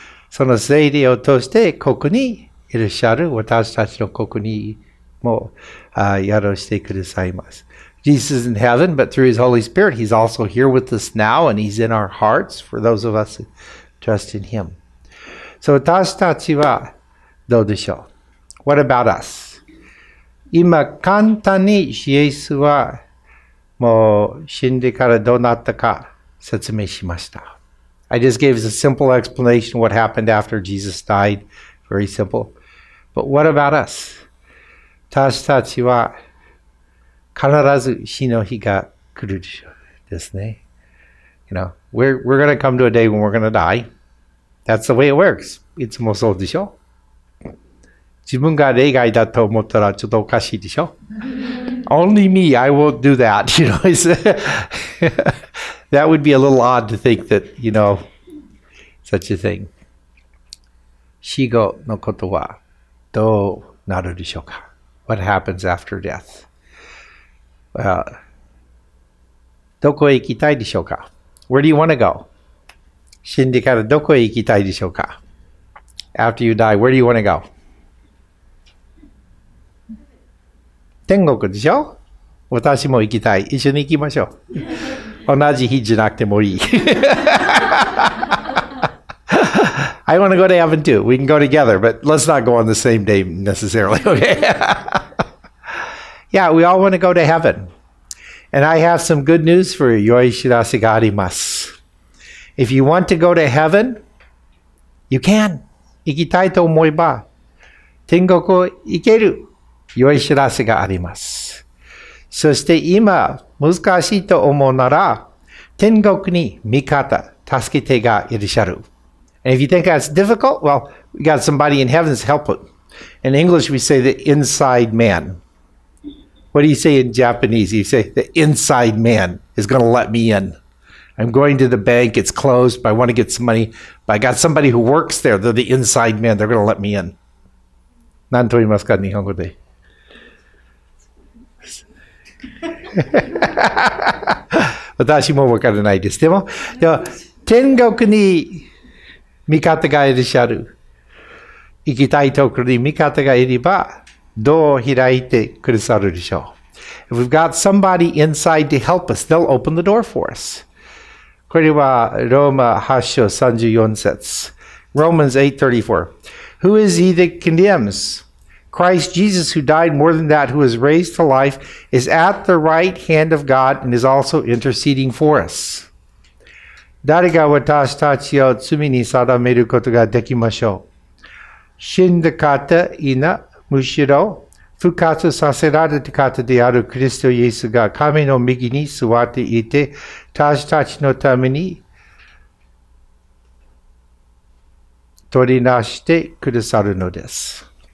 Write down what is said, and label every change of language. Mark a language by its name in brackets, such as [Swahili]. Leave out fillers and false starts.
[Japanese] その聖霊を通してここにいらっしゃる私たちのここにも宿してくださいます。 [English] Jesus is in heaven, but through his Holy Spirit, he's also here with us now, and he's in our hearts for those of us who trust in him. [Japanese] So 私たちはどうでしょう? [English] What about us? [Japanese] 今簡単にイエスはもう死んでからどうなったか説明しました。 [English] I just gave us a simple explanation of what happened after Jesus died. Very simple. But what about us? [Japanese] 私たちは必ず死の日が来るでしょうですね。 [English] You know, we're going to come to a day when we're going to die. That's the way it works. [Japanese] いつもそうでしょ。自分が例外だと思ったらちょっとおかしいでしょ。 [English] Only me, I won't do that. You know, that would be a little odd to think that, you know, such a thing. [Japanese] 死後のことはどうなるでしょうか? [English] What happens after death? [Japanese] Well, どこへ行きたいでしょうか? [English] Where do you want to go? [Japanese] 死んでからどこへ行きたいでしょうか? [English] After you die, where do you want to go? [Japanese] 天国でしょ?私も行きたい。一緒に行きましょう。同じ日じゃなくてもいい。 [English] I want to go to heaven too. We can go together, but let's not go on the same day necessarily, okay? Yeah, we all want to go to heaven. And I have some good news for you. [Japanese] 良い知らせがあります。 [English] If you want to go to heaven, you can. [Japanese] 行きたいと思えば、天国行ける。良い知らせがあります。そして今難しいと思うなら、天国に味方、助け手がいらっしゃる。 [English] And if you think that's difficult, well, we got somebody in heaven's helper. In English, we say the inside man. What do you say in Japanese? You say the inside man is going to let me in. I'm going to the bank. It's closed, but I want to get some money. But I got somebody who works there. They're the inside man. They're going to let me in. [Japanese] 何と言いますか日本語で。私も分からないです。でも天国に味方がいらっしゃる。行きたいところに味方がいれば、どう開いてくださるでしょう。 [English] If we've got somebody inside to help us, they'll open the door for us. [Japanese] これはローマ8章34節。 [English] Romans 8:34. Who is he that condemns? Christ Jesus, who died more than that, who was raised to life, is at the right hand of God and is also interceding for us. [Japanese] 誰が私たちを罪に定めることができましょう? 死んだ方いな、むしろ復活させられた方であるキリストイエスが神の右に座っていて、私たちのために取りなしてくださるのです。